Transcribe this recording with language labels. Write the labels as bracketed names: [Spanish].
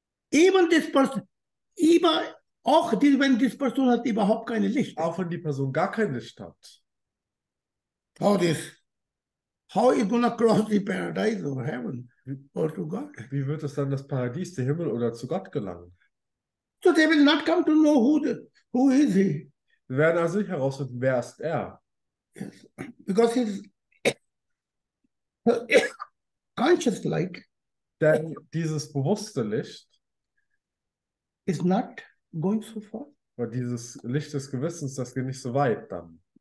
[English] Even this person, even [German] auch die, wenn diese Person hat überhaupt kein Licht. Auch wenn die Person gar kein Licht hat. [English] How this? How is gonna cross the paradise or heaven or to God? [German] Wie wird es dann das Paradies, der Himmel oder zu Gott gelangen? [English] So they will not come to know who is he. [German] Wir werden also nicht herausfinden, wer ist er? [English] Yes, because his conscious light. [German] Denn dieses bewusste Licht [English] is not going so far. [German] Weil dieses Licht des Gewissens, das geht nicht so weit dann.